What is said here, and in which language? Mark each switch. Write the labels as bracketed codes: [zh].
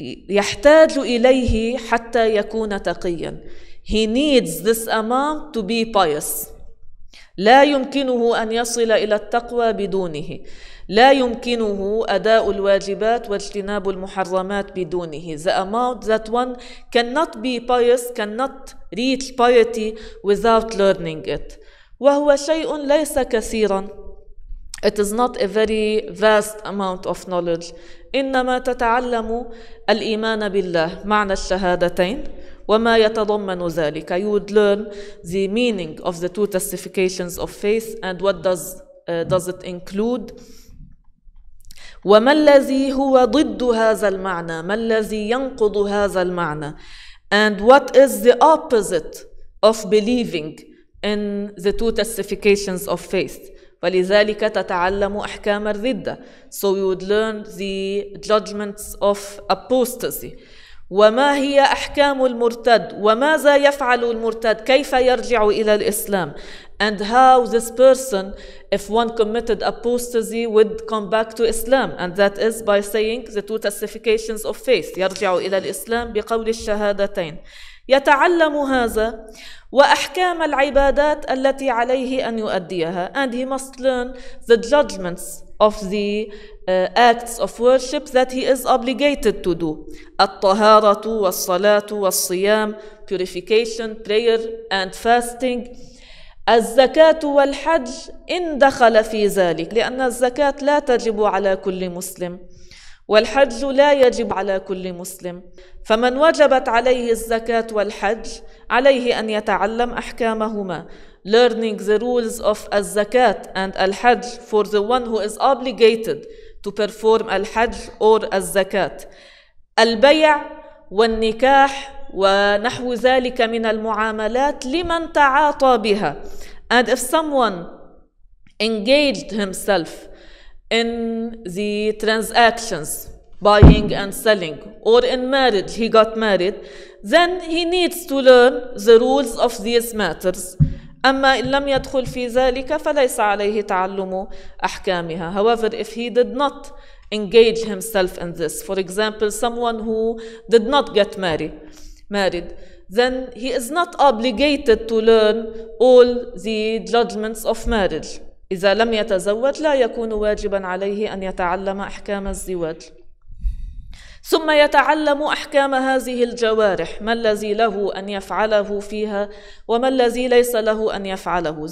[ar] يحتاج إليه حتى يكون تقيا. [en] He needs this amount to be pious. [ar] لا يمكنه أن يصل إلى التقوى بدونه. لا يمكنه أداء الواجبات واجتناب المحرمات بدونه. [en] The amount that one cannot be pious, cannot reach piety without learning it. [ar] وهو شيء ليس كثيرا. [en] It is not a very vast amount of knowledge. [ar] إنما تتعلم الإيمان بالله معنى الشهادتين وما يتضمن ذلك. [en] You would learn the meaning of the two testifications of faith and what does it include. [ar] وما الذي هو ضد هذا المعنى؟ ما الذي ينقض هذا المعنى؟ [en] And what is the opposite of believing in the two testifications of faith؟ [ar] ولذلك تتعلم أحكام الردة. [en] So you would learn the judgments of apostasy. [ar] وما هي أحكام المرتد؟ وماذا يفعل المرتد؟ كيف يرجع إلى الإسلام؟ [en] And how this person, if one committed apostasy, would come back to Islam. And that is by saying the two testifications of faith. [ar] يرجع إلى الإسلام بقول الشهادتين. يتعلم هذا وأحكام العبادات التي عليه أن يؤديها. [en] And he must learn the judgments of the acts of worship that he is obligated to do. [ar] الطهارة والصلاة والصيام, [en] purification, prayer and fasting. [ar] الزكاة والحج إن دخل في ذلك, لأن الزكاة لا تجب على كل مسلم والحج لا يجب على كل مسلم. فمن وجبت عليه الزكاة والحج عليه أن يتعلم أحكامهما. [en] Learning the rules of الزكاة and الحج for the one who is obligated to perform الحج or الزكاة. [ar] البيع والنكاح ونحو ذلك من المعاملات لمن تعاطى بها. [en] And if someone engaged himself in the transactions, buying and selling, or in marriage, he got married, then he needs to learn the rules of these matters. [ar] أما إن لم يدخل في ذلك فليس عليه تعلم أحكامها. [en] However, if he did not engage himself in this, for example, someone who did not get married, then he is not obligated to learn all the judgments of marriage. [ar] إذا لم يتزوج لا يكون واجبا عليه أن يتعلم أحكام الزواج. ثم يتعلم أحكام هذه الجوارح, ما الذي له أن يفعله فيها وما الذي ليس له أن يفعله.